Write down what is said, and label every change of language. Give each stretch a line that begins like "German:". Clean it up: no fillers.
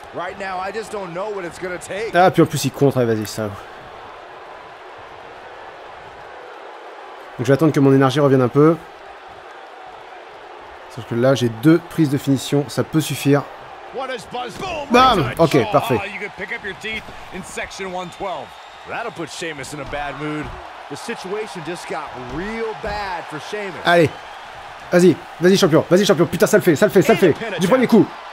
English: Right now, I just don't know what it's going to take.
French: Ah, puis en plus, il contre, vas-y, ça. Donc, je vais attendre que mon énergie revienne un peu. Sauf que là, j'ai deux prises de finition, ça peut suffire. Bam! Ok, parfait.
English: You can pick up your teeth in section 112. That'll put Sheamus in a bad mood. The situation just got real bad for Sheamus.
French: Allez. Vas-y, vas-y champion, vas-y champion, putain ça le fait, ça le fait, ça le fait, du premier coup.